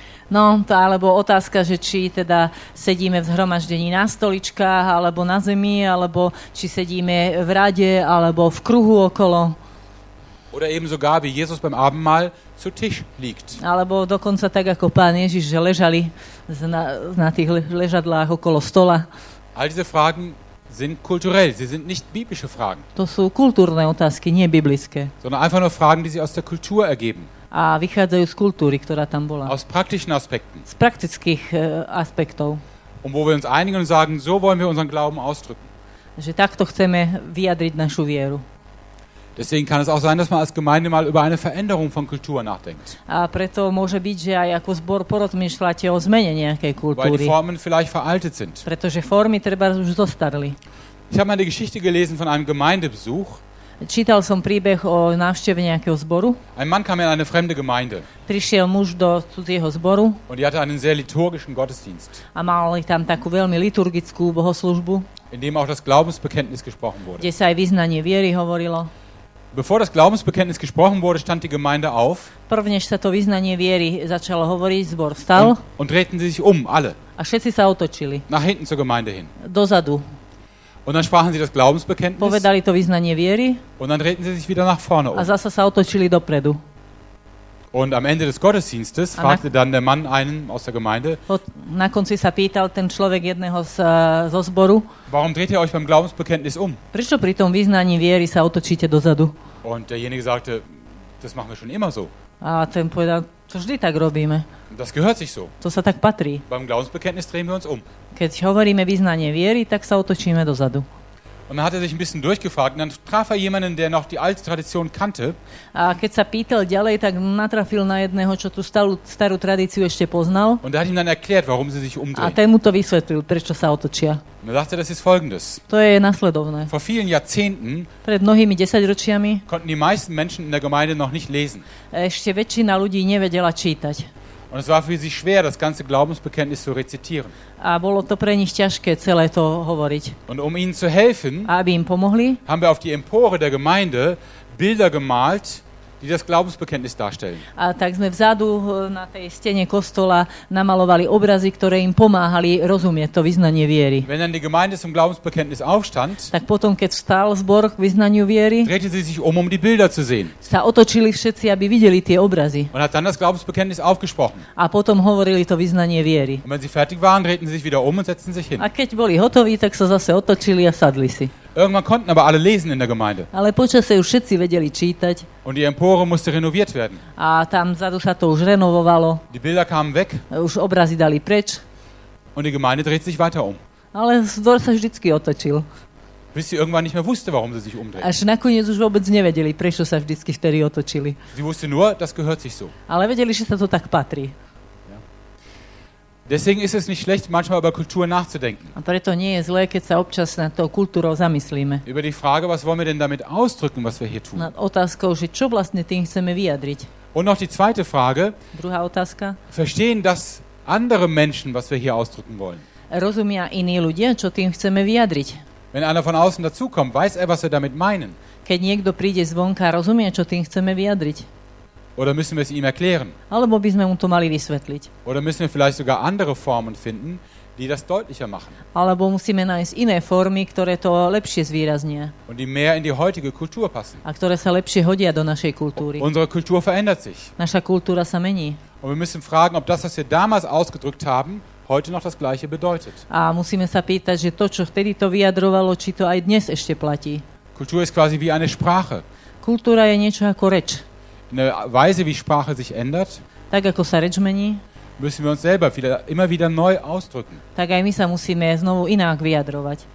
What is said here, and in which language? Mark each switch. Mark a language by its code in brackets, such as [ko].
[sk] No, to alebo otázka, že či teda sedíme v zhromaždení na stoličkách, alebo na zemi, alebo či sedíme v rade, alebo v kruhu okolo. [de] Oder eben sogar, wie Jesus beim Abendmahl zu Tisch liegt. [sk] Alebo dokonca tak, ako Pán Ježiš, že ležali na tých ležadlách okolo stola. [de] All diese Fragen sind kulturell, sie sind nicht biblische Fragen. [sk] To sú kultúrne otázky, nie biblické. [de] Sondern einfach nur Fragen, die sich aus der Kultur ergeben. [sk] A vychádzajú z kultúry, ktorá tam bola. [de] Aus praktischen Aspekten. [sk] Z praktických aspektov. [de] Und wo wir uns einigen und sagen, so wollen wir unseren Glauben ausdrücken. [sk] Že takto chceme vyjadriť našu vieru. [de] Deswegen kann es auch sein, dass man als Gemeinde mal über eine Veränderung von Kultur nachdenkt. [sk] A preto môže byť, že aj ako zbor porozmýšľate o zmene nejakej kultúry. [de] Weil die Formen vielleicht veraltet sind. [sk] Pretože formy treba už zostarli. [de] Ich habe mal eine Geschichte gelesen von einem Gemeindebesuch. [sk] Čítal som príbeh o návšteve nejakého zboru. [de] Ein Mann kam in eine fremde Gemeinde. [sk] Prišiel muž do cudzieho zboru. [de] Und die hatte einen sehr liturgischen Gottesdienst. [sk] A mali tam takú veľmi liturgickú bohoslužbu. [de] In dem auch das Glaubensbekenntnis gesprochen wurde. [sk] Kde sa aj vyznanie viery hovorilo. [de] Bevor das Glaubensbekenntnis gesprochen wurde, stand die Gemeinde auf. [sk] Prvne sa to vyznanie viery začalo hovoriť, zbor stal. [de] Und drehten sie sich um, alle. [sk] A všetci sa otočili. [de] Nach hinten zur Gemeinde hin. [sk] Dozadu. [de] Und dann sprachen sie das Glaubensbekenntnis. [sk] Povedali to vyznanie viery. [de] Und dann drehten sie sich wieder nach vorne um. [sk] A zasa sa otočili dopredu. [de] Und am Ende des Gottesdienstes fragte dann der Mann einen aus der Gemeinde. [sk] Na konci sa pýtal ten človek jedného zo zboru. [de] Warum dreht ihr euch beim Glaubensbekenntnis um? [sk] Prečo pri tom vyznaní viery sa otočíte dozadu? [de] Und derjenige sagte, das machen wir schon immer so. [sk] A ten povedal, to vždy tak robíme. [de] Das gehört sich so. [sk] To sa tak patrí. [de] Beim Glaubensbekenntnis drehen wir uns um. [sk] Keď hovoríme vyznanie viery, tak sa otočíme dozadu. [de] Und dann hat er sich ein bisschen durchgefragt und dann traf er jemanden, der noch die alte Tradition kannte. [sk] A keď sa pýtal ďalej, tak natrafil na jedného, čo tú starú tradíciu ešte poznal. [de] Und er hat ihm dann erklärt, warum sie sich umdrehen. [sk] A ten mu to vysvetlil, prečo sa otočia. [de] Und er sagte, das ist folgendes. [sk] To je nasledovné. [de] Vor vielen Jahrzehnten [sk] pred mnohými desaťročiami [de] konnten die meisten Menschen in der Gemeinde noch nicht lesen. [sk] Ešte väčšina ľudí nevedela čítať. [de] Und es war für sie schwer, das ganze Glaubensbekenntnis zu rezitieren. [sk] A bolo to pre nich ťažké celé to hovoriť. [de] Und um ihnen zu helfen, [sk] aby im pomohli, [de] haben wir auf die Empore der Gemeinde Bilder gemalt, die das Glaubensbekenntnis darstellen. [sk] A tak sme vzadu na tej stene kostola namalovali obrazy, ktoré im pomáhali rozumieť to vyznanie viery. [de] Wenn dann die Gemeinde zum Glaubensbekenntnis aufstand, [sk] tak potom, keď vstal zbor k vyznaniu viery, [de] drehte sie sich um die Bilder zu sehen. [sk] Sa otočili všetci, aby videli tie obrazy. [de] Und hat dann das Glaubensbekenntnis aufgesprochen. [sk] A potom hovorili to vyznanie viery. [de] Und wenn sie fertig waren, drehten sie sich wieder um und setzten sich hin. [sk] A keď boli hotoví, tak sa zase otočili a sadli si. [de] Irgendwann konnten aber alle lesen in der Gemeinde. [sk] Ale počase už všetci vedeli čítať. [de] Und die Empore musste renoviert werden. [sk] A tam vzadu sa to už renovovalo. [de] Die Bilder kamen weg. [sk] Už obrazy dali preč. [de] Und die Gemeinde dreht sich weiter um. [sk] Ale zdor sa vždycky otočil. [de] Bis sie irgendwann nicht mehr wusste, warum sie sich umdrehen. [sk] Až nakoniec už vôbec nevedeli, prečo sa vždycky vtedy otočili. [de] Sie wusste nur, das gehört sich so. [sk] Ale vedeli, že sa to tak patrí. [de] Deswegen ist es nicht schlecht, manchmal über Kultur nachzudenken. [sk] A preto nie je zlé, keď sa občas nad tou kultúrou zamyslíme. [de] Über die Frage, was wollen wir denn damit ausdrücken, was wir hier tun. [sk] Nad otázkou, že čo vlastne tým chceme vyjadriť. [de] Und noch die zweite Frage. [sk] Druhá otázka. [de] Verstehen das andere Menschen, was wir hier ausdrücken wollen? [sk] Rozumia iní ľudia, čo tým chceme vyjadriť? [de] Wenn einer von außen dazukommt, weiß er, was wir damit meinen. [sk] Keď niekto príde zvonka, rozumie, čo tým chceme vyjadriť? [de] Oder müssen wir es ihm erklären? [sk] Alebo by sme mu to mali vysvetliť. [de] Oder müssen wir vielleicht sogar andere Formen finden, die das deutlicher machen? [sk] Alebo musíme nájsť iné formy, ktoré to lepšie zvýraznia. [de] Und die mehr in die heutige Kultur passen. [sk] A ktoré sa lepšie hodia do našej kultúry. [de] Unsere Kultur verändert sich. [sk] Naša kultúra sa mení. [de] Und wir müssen fragen, ob das, was wir damals ausgedrückt haben, heute noch das gleiche bedeutet. [sk] A musíme sa pýtať, že to, čo vtedy to vyjadrovalo, či to aj dnes ešte platí. [de] Kultur ist quasi wie eine Sprache. [sk] Kultúra je niečo ako reč. [de] Eine Weise, wie Sprache sich ändert, [sk] tak ako sa reč mení, [de] müssen wir uns selber wieder, immer wieder neu ausdrücken, [sk] tak aj my sa musíme znovu inak vyjadrovať,